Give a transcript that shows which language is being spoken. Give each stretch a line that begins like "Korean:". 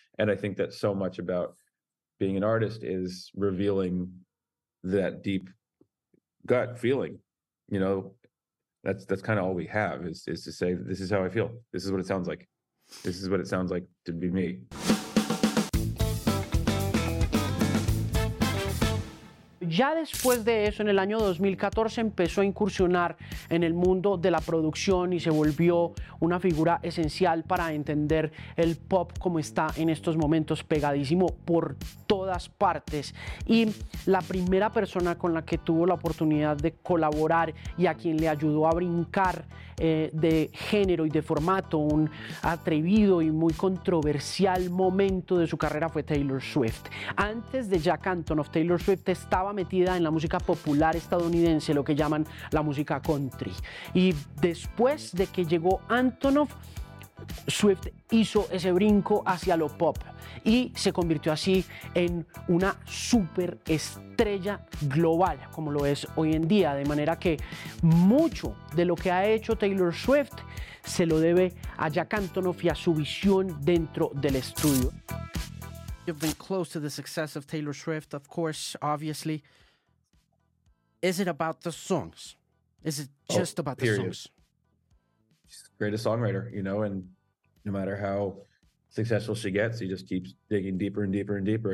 English: And I think that so much about being an artist is revealing that deep gut feeling, you know, that's kind of all we have is to say, this is how I feel. This is what it sounds like. This is what it sounds like to be me.
Spanish: Ya después de eso, en el año 2014, empezó a incursionar en el mundo de la producción y se volvió una figura esencial para entender el pop como está en estos momentos, pegadísimo por todas partes. Y la primera persona con la que tuvo la oportunidad de colaborar y a quien le ayudó a brincar de género y de formato, un atrevido y muy controversial momento de su carrera, fue Taylor Swift. Antes de Jack Antonoff, Taylor Swift estaba metida en la música popular estadounidense, lo que llaman la música country. Y después de que llegó Antonoff, Swift hizo ese brinco hacia lo pop y se convirtió así en una superestrella global, como lo es hoy en día. De manera que mucho de lo que ha hecho Taylor Swift se lo debe a Jack Antonoff y a su visión dentro del estudio.
English: You've been close to the success of Taylor Swift, of course, obviously. Is it about the songs? Is it just about the songs? She's the greatest songwriter, you know, and no matter how successful she gets, she just keeps digging deeper and deeper and deeper.